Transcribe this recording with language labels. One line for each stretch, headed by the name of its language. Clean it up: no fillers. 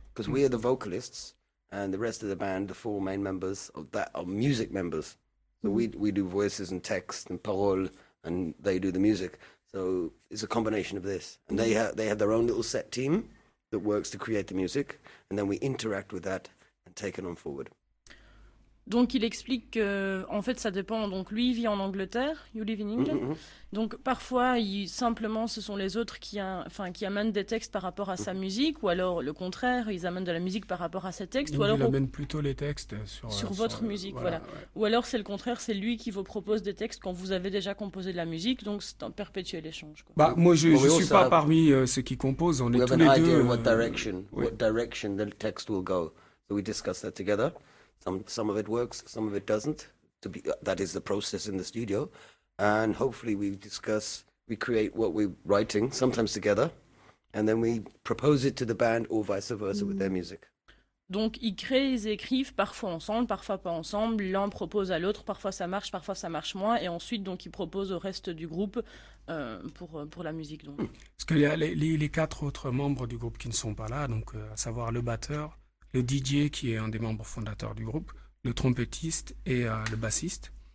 English: Because we are the vocalists, and the rest of the band, the four main members of that, are music members. So we do voices and text and parole, and they do the music. So it's a combination of this. And they have their own little set team that works to create the music, and then we interact with that and take it on forward.
French: Donc il explique que en fait ça dépend. Donc lui il vit en Angleterre,
English: you live in England.
French: Donc parfois simplement ce sont les autres qui amènent des textes par rapport à sa musique, ou alors le contraire, ils amènent de la musique par rapport à ses textes. Il amène plutôt les textes sur votre musique, voilà. Ouais. Ou alors c'est le contraire, c'est lui qui vous propose des textes quand vous avez déjà composé de la musique, donc c'est un perpétuel échange. Quoi. Bah moi je suis pas parmi ceux qui composent, on est tous les deux.
English: We have an idea what direction, what direction the text will go, so we discuss that together. Some of it works, some of it doesn't. That is the process in the studio. And hopefully we create what we're writing, sometimes together, and then we propose it to the band or vice versa with their music.
French: Donc ils créent, ils écrivent, parfois ensemble, parfois pas ensemble. L'un propose à l'autre, parfois ça marche moins. Et ensuite, donc, ils proposent au reste du groupe pour la musique. Donc. Parce qu'il y a les quatre autres membres du groupe qui ne sont pas là, donc, à savoir le batteur, le DJ qui est un des membres fondateurs du groupe, le trompettiste et le bassiste.